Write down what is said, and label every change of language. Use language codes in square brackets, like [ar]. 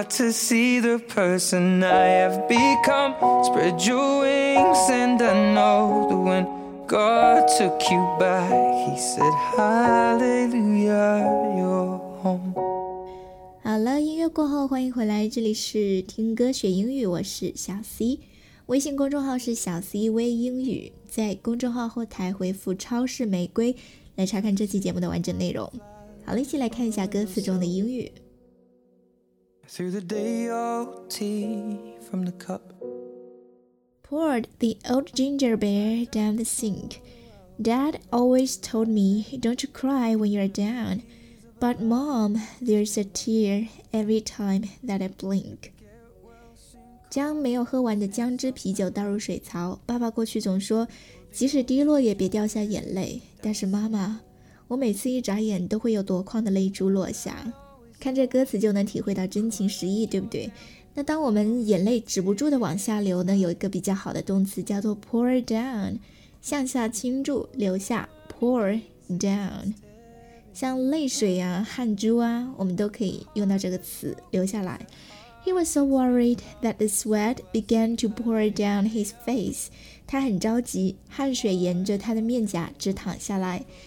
[en] see the person I have become Spread your wings and I know That when God took you back He said hallelujah, you're home [zh] 好了，音乐过后欢迎回来，这里是听歌学英语，我是小 C， 微信公众号是小 C 微英语，在公众号后台回复超市玫瑰来查看这期节目的完整内容。好了，一起来看一下歌词中的英语。 [en] Threw the day old tea from the cup Poured the old ginger beer down the sink Dad always told me, don't cry when you're down But mom, there's a tear every time that I blink [zh] 将没有喝完的姜汁啤酒倒入水槽爸爸过去总说即使滴落也别掉下眼泪但是妈妈我每次一眨眼都会有夺眶的泪珠落下。看这歌词就能体会到真情实意，对不对？那当我们眼泪止不住的往下流呢，有一个比较好的动词叫做 pour down， 向下倾注，流下 pour down。像泪水啊，汗珠啊，我们都可以用到这个词留下来。 [en] He was so worried that the sweat began to pour down his face. [zh] 他很着急，汗水沿着他的面颊直淌下来。